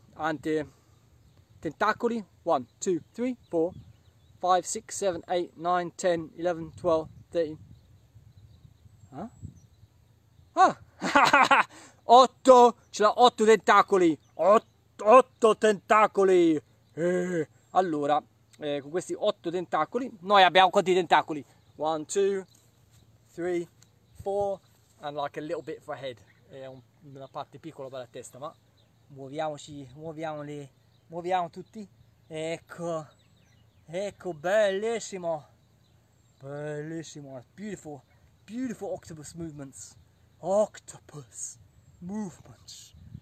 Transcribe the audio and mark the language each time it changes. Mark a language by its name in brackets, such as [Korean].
[Italian] Ante, tentacoli? 1, 2, 3, 4, 5, 6, 7, 8, 9, 10, 11, 12, 13. Ah? Ah! 8, ce l'ha 8 tentacoli, 8 tentacoli. Allora, con questi 8 tentacoli, noi abbiamo quanti tentacoli? [English] 1, 2, 3, 4, and like a little bit for a head. [Italian] È una parte piccola per la testa, ma muoviamoci, muoviamo tutti. Ecco, bellissimo. Bellissimo, [English] beautiful, beautiful octopus movements. Octopus movements.